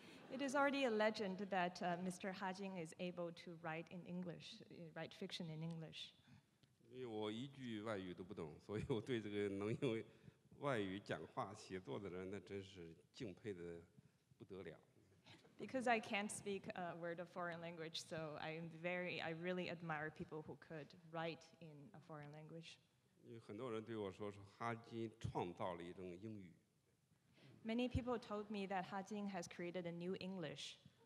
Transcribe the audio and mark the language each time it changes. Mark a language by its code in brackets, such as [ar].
[en] It is already a legend that Mr. Ha Jin is able to write in English, write fiction in English. [zh] 因为我一句外语都不懂，所以我对这个能用外语讲话写作的人，那真是敬佩的不得了。 [en] Because I can't speak a word of foreign language, so I really admire people who could write in a foreign language. [zh] 有很多人对我说，说哈金创造了一种英语。 [en] Many people told me that Ha Jin has created a new English.